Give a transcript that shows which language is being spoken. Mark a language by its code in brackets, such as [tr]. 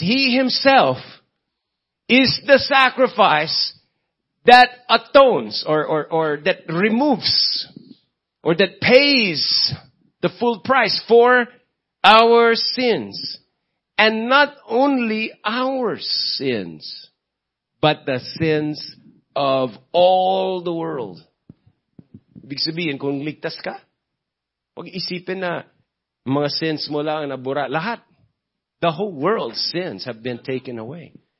[en] He Himself is the sacrifice that atones or that removes or that pays the full price for our sins. And not only our sins, but the sins of all the world. [tl] Ibig sabihin, kung ligtas ka, huwag isipin na mga sins mo lang ang nabura. Lahat. [en] The whole world's sins have been taken away.